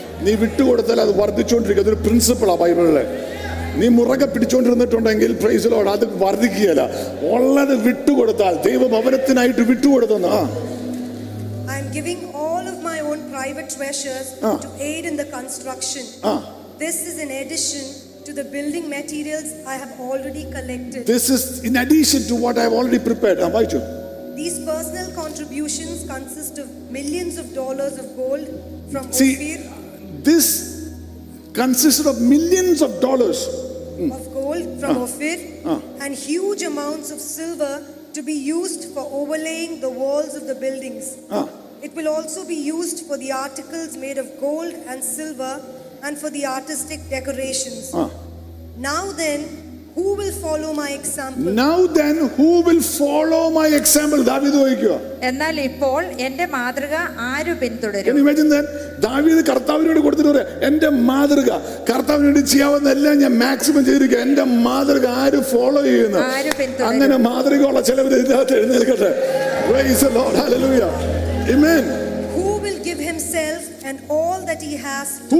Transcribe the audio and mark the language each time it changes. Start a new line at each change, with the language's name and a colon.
Malayalam: നീ വിട്ടുകൊടുത്താൽ അത് വർദ്ധിച്ചുകൊണ്ടിരിക്കുക, അതൊരു പ്രിൻസിപ്പിളാ ബൈബിളിലെ. നീ മുറുകെ പിടിച്ചോണ്ടിരുന്നിട്ടുണ്ടെങ്കിൽ
English: praise the Lord,
Malayalam: അത് വർദ്ധിക്കുകയല്ല, ഉള്ളത് വിട്ടുകൊടുത്താൽ ദൈവ ഭവനത്തിനായിട്ട് വിട്ടുകൊടുത്തുന്ന.
English: To the building materials I have already collected. This is in addition to what I have already prepared. Abhijit, these personal contributions consist of millions of dollars of gold from Ophir. See, this consisted of millions of dollars of gold from Ophir and huge amounts of silver to be used for overlaying the walls of the buildings. It will also be used for the articles made of gold and silver and for the artistic decorations. Now then, who will follow my example?
Malayalam: David ചോദിക്കുക. എന്നാൽ ഇപ്പോൾ എന്റെ മാതൃക ആര് പിന്തുടരും?
English: Can you imagine that?
Malayalam: ദാവീദ് കർത്താവിനോട് കൊടുത്തിട്ട് പറയുക, എന്റെ മാതൃക കർത്താവിന് വേണ്ടി ചെയ്യാവുന്നതെല്ലാം ഞാൻ മാക്സിമം ചെയ്തിരിക്കുക, എന്റെ മാതൃക ആര് ഫോളോ ചെയ്യുന്നു? അങ്ങനെ മാതൃക ഉള്ള ചിലവർ ഇതിനകത്ത് എഴുന്നേൽക്കട്ടെ.
English: Praise the Lord, hallelujah. Amen. Who will give himself and all that he has to